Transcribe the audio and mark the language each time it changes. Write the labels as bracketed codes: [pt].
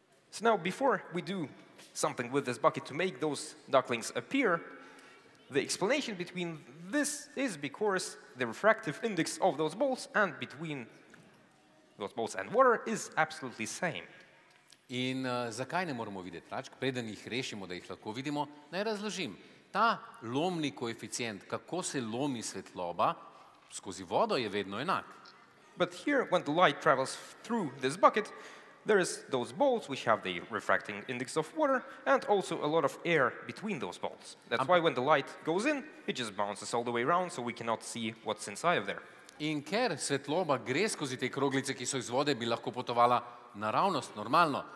[en] So now, before we do something with this bucket to make those ducklings appear, the explanation between this is because the refractive index of those balls and between those balls and water is absolutely same. [sl] In zakaj ne moramo videti račk? Preden jih rešimo, da jih lahko vidimo, naj razložim. Ta lomni koeficient, kako se lomi svetloba, skozi vodo je vedno enak. [en] But here, when the light travels through this bucket, there is those balls which have the refracting index of water and also a lot of air between those balls. That's why when the light goes in, it just bounces all the way around, so we cannot see what's inside of there. [sl] In ker svetloba gre skozi te kroglice, ki so iz vode, bi lahko potovala naravnost, normalno.